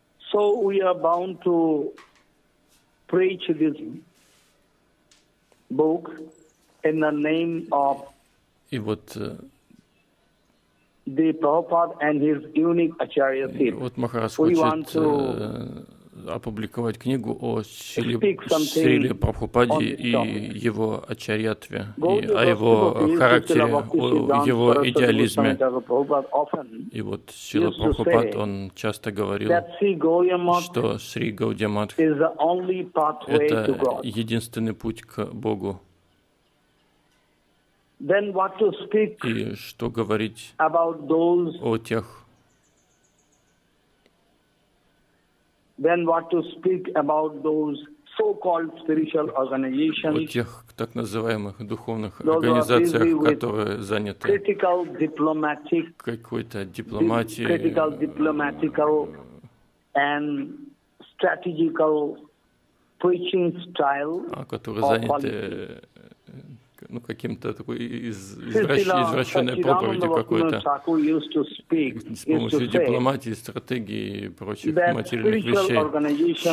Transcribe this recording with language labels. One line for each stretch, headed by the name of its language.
English: So we are bound to preach this book in the name of the Prabhupada and his unique acharya seed.
Russian: Вот Махарадж хочет опубликовать книгу о Шриле Прабхупаде и его ачарьятве, о его характере, о его идеализме. И вот Шрила Прабхупад, он часто говорил, что Шри Гауди Матх – это единственный путь к Богу.
English: Then what to speak
Russian: и что говорить
English: about those,
Russian: о тех?
English: Then what to speak about those so-called spiritual organizations,
Russian: о тех так называемых духовных организациях, которые заняты
English: critical diplomatic,
Russian: какой-то дипломатией,
English: critical diplomatical and strategical preaching style,
Russian: которые заняты ну, каким-то такой извращенной проповедью какой-то, с помощью дипломатии, стратегии и прочих материальных вещей.